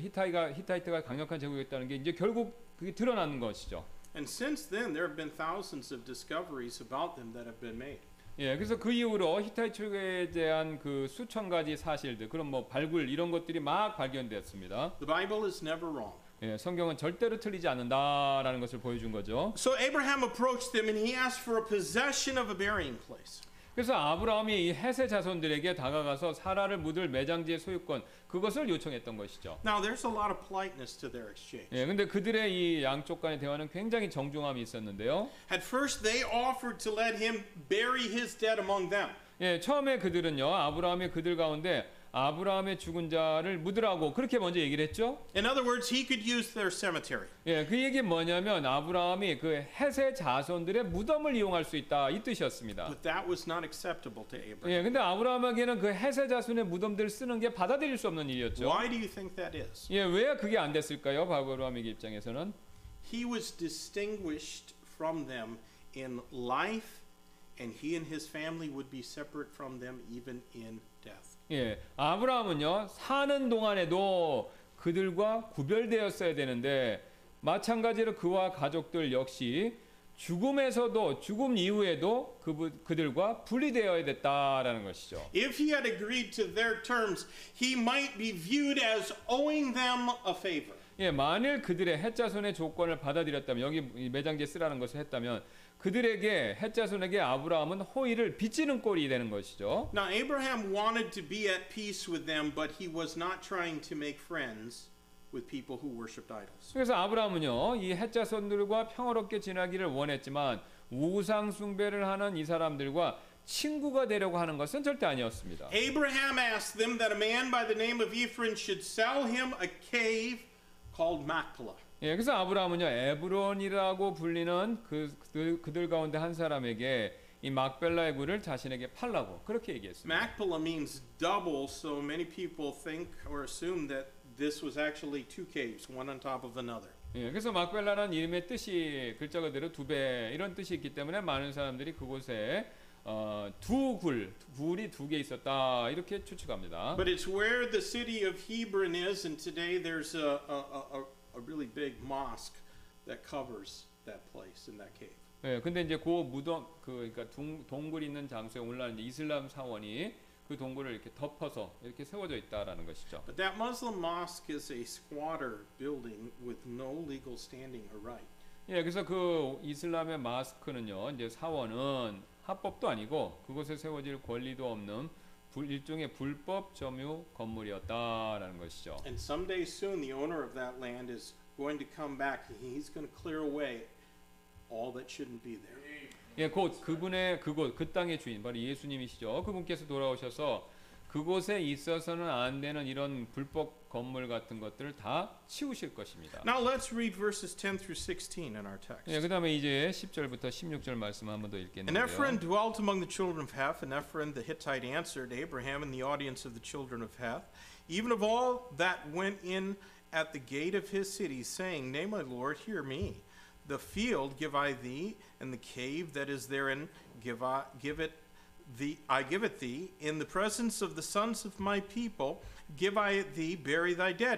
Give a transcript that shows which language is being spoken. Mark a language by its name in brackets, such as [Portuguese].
[Korean] 히타이트가 강력한 제국이었다는 게 이제 결국 그게 드러나는 것이죠. [English] And since then, there have been thousands of discoveries about them that have been made. [Korean] 예, 그래서 그 이후로 히타이트에 대한 그 수천 가지 사실들, 그런 뭐 발굴 이런 것들이 막 발견되었습니다. [English] The Bible is never wrong. [Korean] 예, 성경은 절대로 틀리지 않는다라는 것을 보여준 거죠. [English] So Abraham approached them, and he asked for a possession of a burying place. [Korean] 그래서 아브라함이 이 헷의 자손들에게 다가가서 사라를 묻을 매장지의 소유권 그것을 요청했던 것이죠. [English] Now there's a lot of politeness to their exchange. [Korean] 예, 근데 그들의 이 양쪽 간의 대화는 굉장히 정중함이 있었는데요. [English] At first they offered to let him bury his dead among them. [Korean] 예, 처음에 그들은요. 아브라함이 그들 가운데 아브라함의 죽은 자를 묻으라고 그렇게 먼저 얘기를 했죠. [English] In other words, he could use their cemetery. [Korean] 예, 그 얘기 뭐냐면 아브라함이 그 헷의 자손들의 무덤을 이용할 수 있다 이 뜻이었습니다. [English] But that was not acceptable to Abraham. [Korean] 예, 근데 아브라함에게는 그 헷의 자손의 무덤들을 쓰는 게 받아들일 수 없는 일이었죠. [English] Why do you think that is? [Korean] 예, 왜 그게 안 됐을까요? 아브라함의 입장에서는 [English] He was distinguished from them in life and he and his family would be separate from them even in death. [Korean] 예, 아브라함은요 사는 동안에도 그들과 구별되었어야 되는데 마찬가지로 그와 가족들 역시 죽음에서도 죽음 이후에도 그들과 분리되어야 됐다라는 것이죠. [English] If he had agreed to their terms, he might be viewed as owing them a favor. [Korean] 예, 만일 그들의 헷자손의 조건을 받아들였다면 여기 매장지 쓰라는 것을 했다면. 그들에게 헷자손에게 아브라함은 호의를 빚지는 꼴이 되는 것이죠. [English] Now Abraham wanted to be at peace with them, but he was not trying to make friends with people who worshipped idols. [Korean] 그래서 아브라함은요, 이 헷자손들과 평화롭게 지내기를 원했지만 우상 숭배를 하는 이 사람들과 친구가 되려고 하는 것은 절대 아니었습니다. [English] Abraham asked them that a man by the name of Ephron should sell him a cave called Machpelah. [Korean] 예, 그래서 아브라함은요, 에브론이라고 불리는 그들 가운데 한 사람에게 이 막벨라의 굴을 자신에게 팔라고 그렇게 얘기했습니다. [English] Machpelah means double, so many people think or assume that this was actually two caves, one on top of another. [Korean] 예, 그래서 막벨라라는 이름의 뜻이 글자 그대로 두 배 이런 뜻이 있기 때문에 많은 사람들이 그곳에 굴이 두 개 있었다 이렇게 추측합니다. [English] But it's where the city of Hebron is, and today there's a really big mosque that covers that place in that cave. [Korean] 예, 근데 이제 그 무덤 그러니까 동굴 있는 장소에 올라온 이슬람 사원이 그 동굴을 이렇게 덮어서 이렇게 세워져 있다라는 것이죠. [English] But that Muslim mosque is a squatter building with no legal standing or right. [Korean] 예, 그래서 그 이슬람의 마스크는요, 이제 사원은 합법도 아니고 그곳에 세워질 권리도 없는 일종의 불법 점유 건물이었다라는 것이죠. [English] And someday soon the owner of that land is going to come back. He's going to clear away all that shouldn't be there. [Korean] 예, 곧 그분의 그곳 그 땅의 주인 바로 예수님이시죠. 그분께서 돌아오셔서 그곳에 있어서는 안 되는 이런 불법 건물 같은 것들을 다 치우실 것입니다. [English] Now let's read verses 10 through 16 in our text. [Korean] 예, 그다음에 이제 10절부터 16절 말씀 한번 더 읽겠는데요. [English] And Ephron dwelt among the children of Heth, and Ephron the Hittite answered Abraham in the audience of the children of Heth, even of all that went in at the gate of his city, saying, Nay, my lord, hear me. The field give I thee, and the cave that is therein give it thee in the presence of the sons of my people, give I thee, bury thy dead.